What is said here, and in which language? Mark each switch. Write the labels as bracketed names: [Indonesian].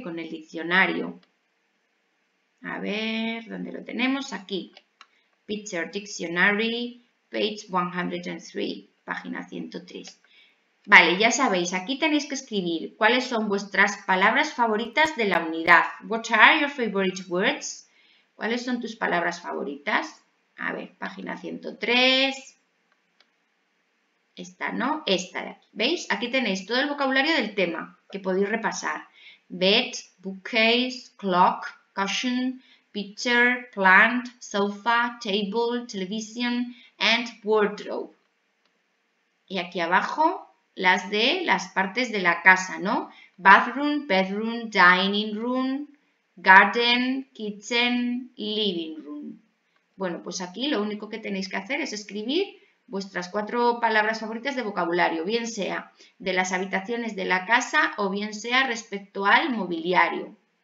[Spanish] Con el diccionario. A ver, ¿dónde lo tenemos? Aquí. [English] Picture Dictionary, page 103, [Spanish] página 103. Vale, ya sabéis, aquí tenéis que escribir cuáles son vuestras palabras favoritas de la unidad. [English] What are your favorite words? [Spanish] ¿Cuáles son tus palabras favoritas? A ver, página 103. Esta, ¿no? Esta de aquí. ¿Veis? Aquí tenéis todo el vocabulario del tema que podéis repasar. [English] Bed, bookcase, clock, cushion, picture, plant, sofa, table, television and wardrobe. [Spanish] Y aquí abajo las de las partes de la casa, ¿no? [English] Bathroom, bedroom, dining room, garden, kitchen, living room. [Spanish] Bueno, pues aquí lo único que tenéis que hacer es escribir vuestras cuatro palabras favoritas de vocabulario, bien sea de las habitaciones de la casa o bien sea respecto al mobiliario.